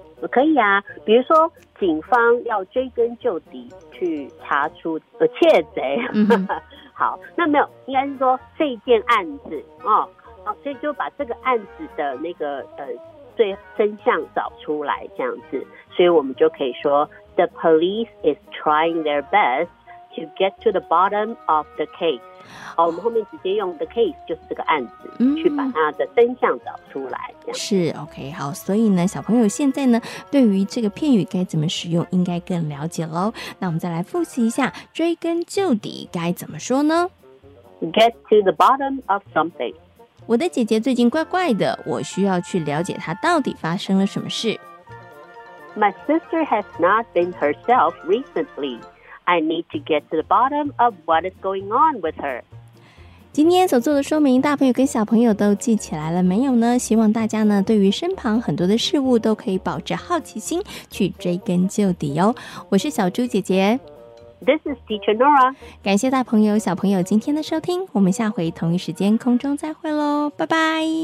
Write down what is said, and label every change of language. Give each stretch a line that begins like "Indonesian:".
Chinese: 可以啊，比如说警方要追根究底去查出窃贼、好，那没有，应该是说这件案子所以就把这个案子的那个最真相找出来这样子。所以我们就可以说
English: The police is trying their best to get to the bottom of the case.
Chinese: 我们后面直接用
English: the case
Chinese: 就是这个案子、去把它的真相找出来。是 OK, 好，所以呢，小朋友现在呢，对于这个片语该怎么使用，应该更了解喽。那我们再来复习一下，追根究底该怎么说呢
English: ？Get to the bottom of something.
Chinese: 我的姐姐最近怪怪的，我需要去了解她到底发生了什么事。
English: My sister has not been herself recently. I need to get to the bottom of what is going on with her.
Chinese: 今天所做的说明，大朋友跟小朋友都记起来了没有呢？希望大家呢，对于身旁很多的事物都可以保持好奇心，去追根究底哦。我是小猪姐姐。
English: This is Teacher Nora.
Chinese: 感谢大朋友小朋友今天的收听，我们下回同一时间空中再会咯，拜拜。